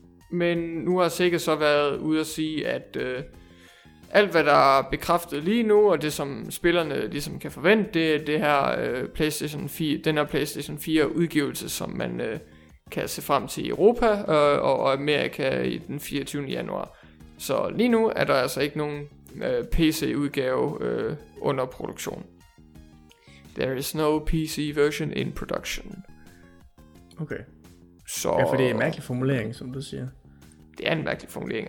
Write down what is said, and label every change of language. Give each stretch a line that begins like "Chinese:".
Danish: Men nu har Sega så været ude at sige, at alt hvad der er bekræftet lige nu, og det som spillerne ligesom kan forvente, det er det her, PlayStation 4, den her PlayStation 4 udgivelse, som man kan se frem til i Europa og Amerika i den 24. januar. Så lige nu er der altså ikke nogen PC-udgave under produktion.
English: There is no PC version in production.
Danish: Okay. Så, ja, for det er en mærkelig formulering, som du siger. Det er en mærkelig formulering.